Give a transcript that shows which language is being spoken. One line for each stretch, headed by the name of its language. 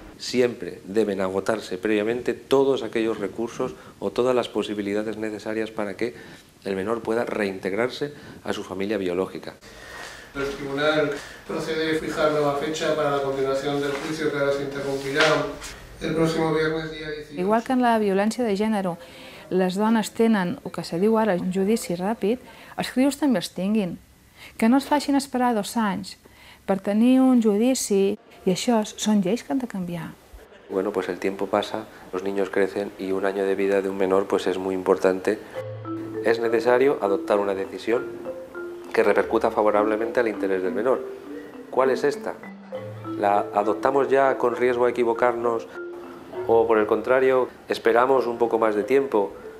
Spanish: Siempre deben agotarse previamente todos aquellos recursos o todas las posibilidades necesarias para que el menor pueda reintegrarse a su familia biológica. El tribunal procede a fijar nueva fecha para la continuación del juicio que ahora se interrumpirá el próximo viernes día 18.
Catalan: Igual que en la violència de gènere, les dones tenen, o que se diu ara, un judici ràpid, els crios també els tinguin. Que no es facin esperar 2 anys per tenir un judici, y això són lleis que han de canviar.
Spanish: Bueno, pues el tiempo pasa, los niños crecen y un año de vida de un menor pues es muy importante. Es necesario adoptar una decisión que repercuta favorablemente al interés del menor. ¿Cuál es esta? ¿La adoptamos ya con riesgo a equivocarnos? ¿O por el contrario, esperamos un poco más de tiempo?